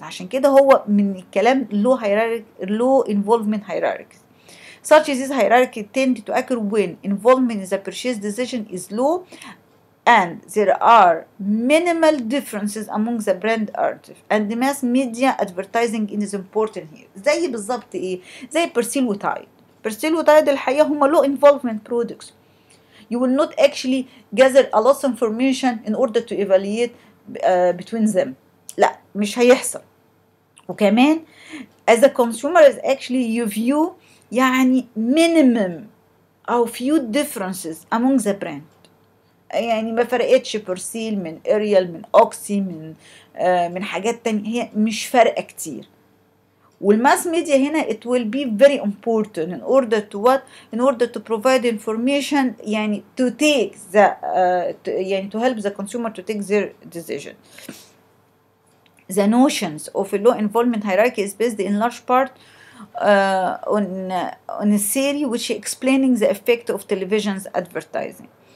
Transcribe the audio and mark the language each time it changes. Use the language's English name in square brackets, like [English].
[Arabic] عشان كده هو من الكلام [English] low hierarchy, low involvement hierarchy. Such as this hierarchy tend to occur when involvement in the purchase decision is low and there are minimal differences among the brand artists and the mass media advertising is important here. [Arabic] زي بالظبط ايه؟ زي برسيل وتايد. برسيل وتايد الحقيقة هما low involvement products. [English] You will not actually gather a lot of information in order to evaluate between them. [Arabic] لا مش هيحصل. وكمان [English] as a consumer is actually you view [Arabic] يعني [English] minimum or few differences among the brand. [Arabic] يعني ما فرقتش برسيل من اريال من اوكسي من حاجات تانية، هي مش فرقة كتير. والماس ميديا هنا [English] it will be very important in order to what in order to provide information [Arabic] يعني [English] to take the يعني to help the consumer to take their decision. The notions of a low involvement hierarchy is based in large part on a theory which explaining the effect of television's advertising.